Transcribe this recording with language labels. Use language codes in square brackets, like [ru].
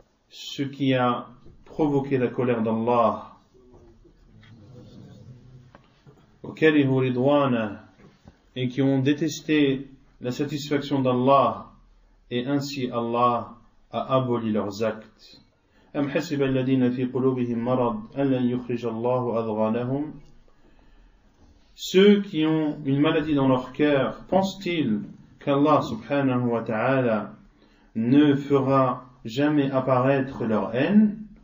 [fr] ce qui a provoqué la colère d'Allah, [ar] وكرهوا رضوانه, [fr] et qui ont détesté la satisfaction d'Allah, et ainsi Allah a aboli leurs actes. [ar] أم حسب الذين في قلوبهم مرض أن لن يخرج الله أضغانهم. [fr] Ceux qui ont une maladie dans leur cœur, pensent-ils qu'Allah subhanahu wa ta'ala ne fera jamais apparaître leur haine?